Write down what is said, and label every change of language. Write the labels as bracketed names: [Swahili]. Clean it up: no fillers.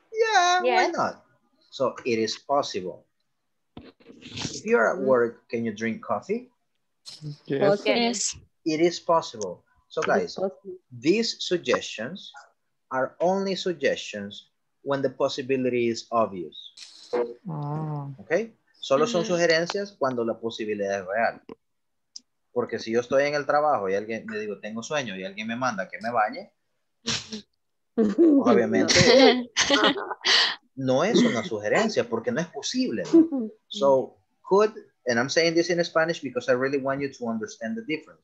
[English] Yeah, why not? So it is possible. If you're at work, can you drink coffee? Yes. It is possible. So guys, these suggestions are only suggestions when the possibility is obvious. Okay? [Spanish] Solo son sugerencias cuando la posibilidad es real. Porque si yo estoy en el trabajo y alguien me digo, tengo sueño y alguien me manda que me bañe, obviamente no es una sugerencia porque no es posible. [English] ¿No? So, could... And I'm saying this in Spanish because I really want you to understand the difference.